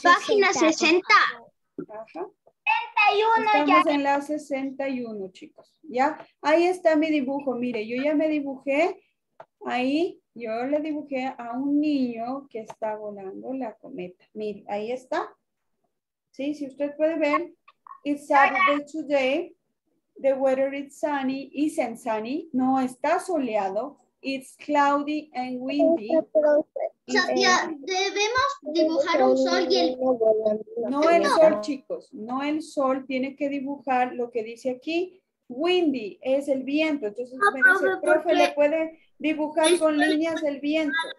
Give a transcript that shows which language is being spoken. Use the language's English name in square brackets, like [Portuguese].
[Spanish] Página 60. Estamos ya. En la 61, chicos. Ya, ahí está mi dibujo. Mire, yo ya me dibujé ahí. Yo le dibujé a un niño que está volando la cometa. Mire, ahí está. Sí, si usted puede ver, [English] it's Saturday today, the weather is sunny, isn't sunny, [Spanish] no, está soleado, [English] it's cloudy and windy. [Spanish] O sea, debemos dibujar un sol y el... No el sol, chicos, no el sol, tiene que dibujar lo que dice aquí, windy, es el viento, entonces me dice, el profe, ¿le puede dibujar con líneas el viento?